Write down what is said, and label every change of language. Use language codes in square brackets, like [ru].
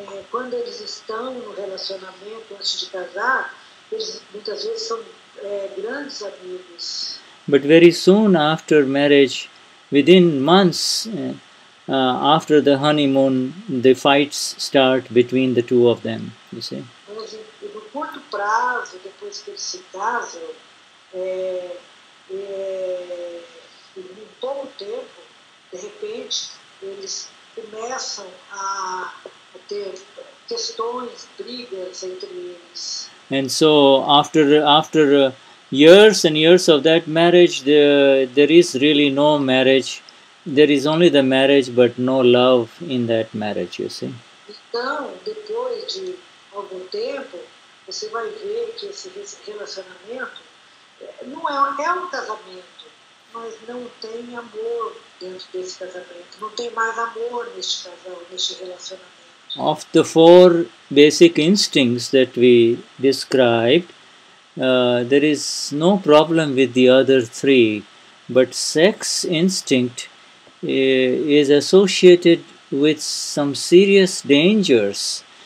[pt] Quando eles estão no relacionamento antes de casar, eles muitas vezes são grandes amigos. [en] But very soon after marriage, within months after the honeymoon, the fights start between the two of them, you see. [pt] Mas no curto prazo, depois que eles se casam, em pouco tempo, de repente, eles começam a ter questões, brigas entre eles. [en] And so after years and years of that marriage, there is really no marriage. There is only the marriage, but no love in that marriage, you see. [pt] Então, depois de algum tempo, você vai ver que esse relacionamento não é um casamento, mas não tem amor dentro desse casamento. Não tem mais amor neste casal, neste relacionamento. [en] Of the four basic instincts that we described, there is no problem with the other three, but sex instinct is associated with some serious dangers.